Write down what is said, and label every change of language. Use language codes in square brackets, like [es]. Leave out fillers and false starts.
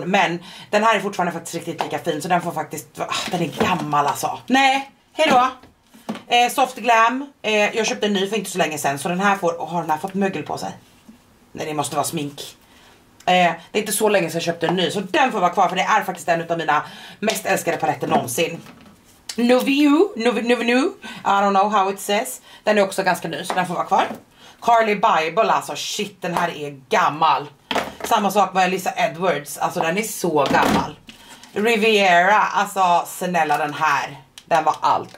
[sv] Men den här är fortfarande faktiskt riktigt lika fin. Så den får faktiskt, den är gammal alltså. Nej, hejdå. Soft Glam. Jag köpte en ny för inte så länge sedan. Så den här får, har den här fått mögel på sig? Nej, det måste vara smink. Det är inte så länge sedan jag köpte en ny. Så den får vara kvar, för det är faktiskt en av mina mest älskade paletter någonsin. [en] Nuvenu, I don't know how it says. [sv] Den är också ganska ny, så den får vara kvar. Carly Bible, alltså shit, den här är gammal. Samma sak med Lisa Edwards, alltså den är så gammal. Riviera, alltså snälla, den här, den var allt.